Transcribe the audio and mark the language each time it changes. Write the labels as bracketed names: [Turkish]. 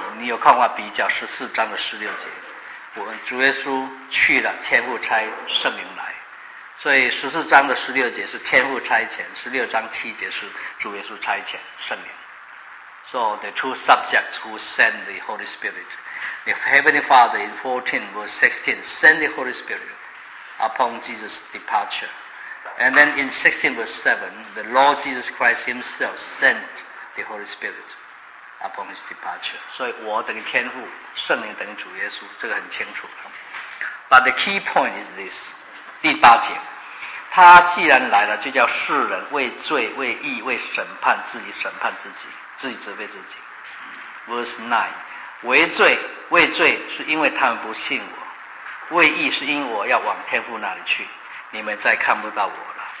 [Chinese] 你有空的话比较14:16，主耶稣去了，天父差圣灵来。所以十四章的十六节是天父差遣，十六章七节是主耶稣差遣圣灵。 [English] So the two subjects who send the Holy Spirit, the Heavenly Father in 14 verse 16 send the Holy Spirit upon Jesus' departure, and then in 16 verse 7 the Lord Jesus Christ Himself sent the Holy Spirit upon His departure. [Chinese] 所以我等于天父，圣灵等于主耶稣，这个很清楚。 [English] But the key point is this. [Chinese] 第八节，他既然来了，就叫世人为罪、为义、为审判自己，审判自己，自己责备自己。 Verse 9， 为罪是因为他们不信我；为义是因为我要往天父那里去，你们再看不到我了。